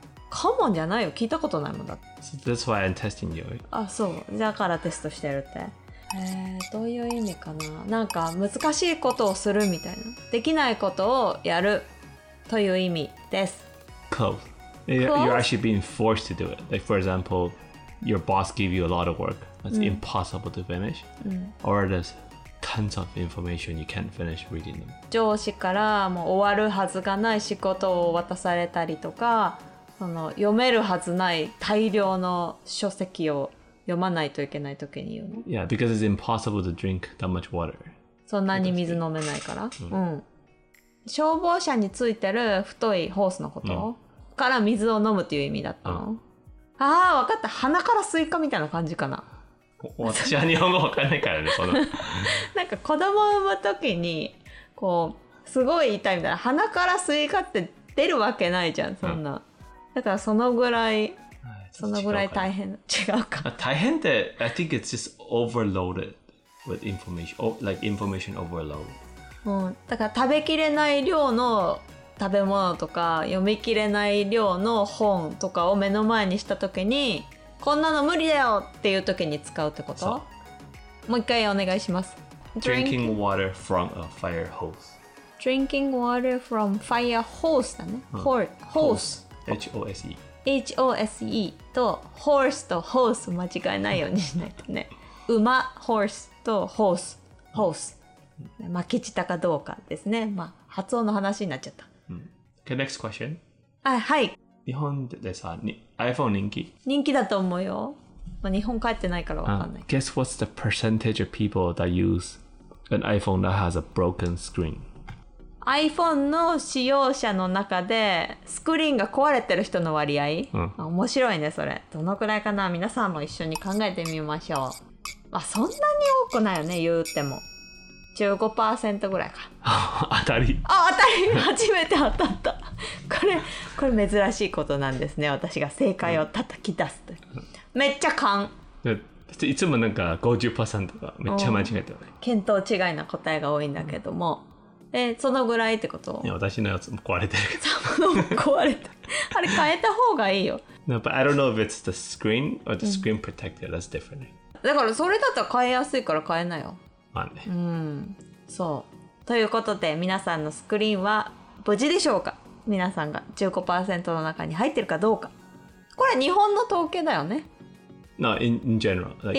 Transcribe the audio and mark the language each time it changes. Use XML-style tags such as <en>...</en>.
<ja>common じゃないよ、聞いたことないもんだ。</ja> <en>So、that's why I'm testing you.</en> <ja>あ、そう、だからテストしてるって、どういう意味かな、なんか難しいことをするみたいな、できないことをやるという意味です。</ja> <en>Close. You're actually being forced to do it. Like for example, your boss gave you a lot of work that's、うん、impossible to finish.、うん、 Or thisTons of information you can't finish reading them.</en> <ja>上司からもう終わるはずがない仕事を渡されたりとか、その読めるはずない大量の書籍を読まないといけない時に言うの。</ja> <en>Yeah, because it's impossible to drink that much water.</en> <ja>そんなに水飲めないから。うん。消防車についてる太いホースのこと、うん、から水を飲むっていう意味だったの。うん、ああ、わかった。鼻からスイカみたいな感じかな。私は日本語わかんないからね、このなんか子供を産むときにこうすごい痛いみたいな、鼻からスイカって出るわけないじゃん、そんな、うん、だからそのぐらい、そのぐらい大変、違うか、大変って、</ja> <en>I think it's just overloaded with information, like information overload、</en> <ja>うん、だから食べきれない量の食べ物とか読みきれない量の本とかを目の前にしたときに、こんなの無理だよっていう時に使うってこと？もう一回お願いします。</ja> <en>Drinking water from a fire hose. Drinking water from fire hose だね。うん、hose。 H-O-S-E。</en> <ja>H-O-S-E と horse と hose 間違えないようにしないとね。馬、horse と hose。hose。巻き舌かどうかですね。まあ、発音の話になっちゃった。</ja> <en>うん、okay, next question.</en> <ja>あ、はい。日本でさ、iPhone 人気？人気だと思うよ。まあ、日本帰ってないからわかんない。</ja> <en>Guess what's the percentage of people that use an iPhone that has a broken screen?</en> <ja>iPhone の使用者の中でスクリーンが壊れてる人の割合？うん、あ、面白いね、それ。どのくらいかな？皆さんも一緒に考えてみましょう。まあ、そんなに多くないよね、言うても。 15% ぐらいか。当たり。あ、当たり。初めて当たった。これ珍しいことなんですね。私が正解を叩き出すと、うん、めっちゃ勘。いつもなんか 50% とかめっちゃ間違えてる、ね、見当違いな答えが多いんだけども、うん、そのぐらいってこと。いや、私のやつも壊れてるけど。その壊れた。あれ変えた方がいいよ。</ja> <en>No, but I don't know if it's the screen or the screen protector. That's different.、うん、</en> <ja>だからそれだったら変えやすいから変えなよ。まあね。うん、そう。ということで皆さんのスクリーンは無事でしょうか。皆さんが 15% の中に入ってるかどうか。これ日本の統計だよね。</ja> <en>No, in general. Like,</en>